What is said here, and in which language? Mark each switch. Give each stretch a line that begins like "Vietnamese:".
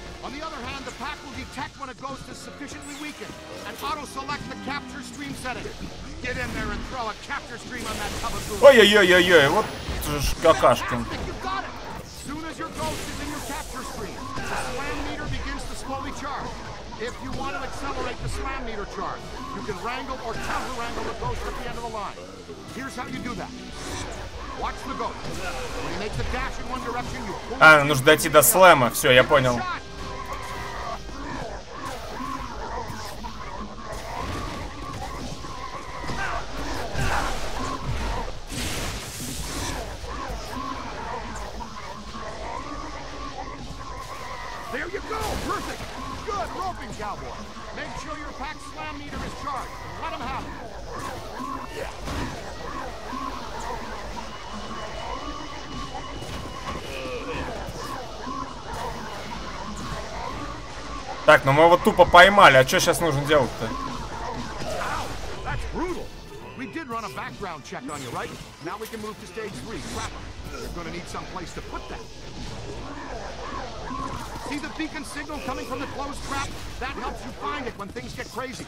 English: On the other hand, the pack will detect when a ghost is sufficiently weakened and auto-select the capture stream setting. Get in there and throw a capture stream on that tub of goo.
Russian: Ой-ой-ой-ой-ой, вот же ж какашкин.
English: You got it! Soon as your ghost is in your capture stream, the slam meter begins to slowly charge. If you want to accelerate the slam meter charge, you can wrangle or counter-wrangle the ghost at the end of the line. Here's how you do that. Watch the ghost. When he makes a dash in one direction, you pull...
Russian: А, нужно дойти до слэма. Все, я понял.
English: There you go. Perfect. Good roping, cowboy. Make sure your pack slam meter is charged. Let him have it.
Russian: Так, ну мы его тупо поймали, а что сейчас нужно делать-то?
English: Ow, that's brutal. We did run a background check on you, right? Now we can move to stage 3. Trap him. You're gonna need some place to put that. See the beacon signal coming from the closed trap? That helps you find it when things get crazy.